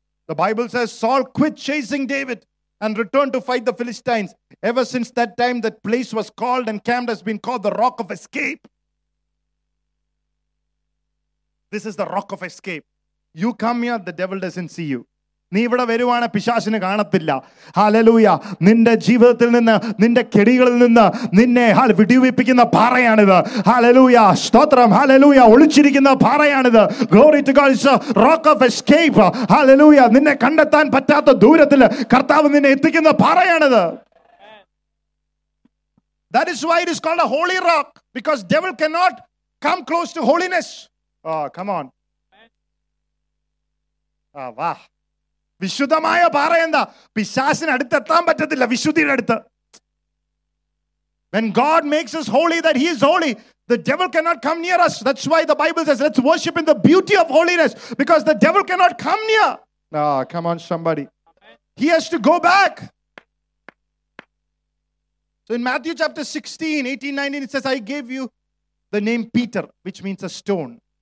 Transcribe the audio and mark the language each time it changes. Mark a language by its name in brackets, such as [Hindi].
[English] The Bible says Saul quit chasing David and returned to fight the Philistines. Ever since that time, that place was called and camped has been called the Rock of Escape. This is the Rock of Escape. You come here, the devil doesn't see you. [Malayalam] നീ ഇവിടെ വരുവാണ് പിശാചിനെ കാണത്തില്ല. Hallelujah. നിന്റെ ജീവിതത്തിൽ നിന്ന്, നിന്റെ കെടികളിൽ നിന്ന് നിന്നെ വിടുവിപ്പിക്കുന്ന പാറയാണിത്. ഹല്ലേലൂയ, സ്തോത്രം, hallelujah, ഒളിച്ചിരിക്കുന്ന പാറയാണിത്. [English] Glory to God, it's a rock of escape. [Malayalam] Hallelujah, നിന്നെ കണ്ടെത്താൻ പറ്റാത്ത ദൂരത്തിൽ കർത്താവ് നിന്നെ എത്തിക്കുന്ന പാറയാണിത്. [English] That is why it is called a holy rock, because devil cannot come close to holiness. Oh, come on. [Malayalam] Ah, wow. വിശുദ്ധമായ പാറ എന്താ? പിശാസിന് അടുത്തെത്താൻ പറ്റത്തില്ല വിശുദ്ധിയുടെ അടുത്ത്. [English] When God makes us holy, that he is holy, the devil cannot come near us. That's why the Bible says, let's worship in the beauty of holiness, because the devil cannot come near. Ah, come on somebody. He has to go back. So in Matthew chapter 16, 18, 19, it says, I gave you the name Peter, which means a stone.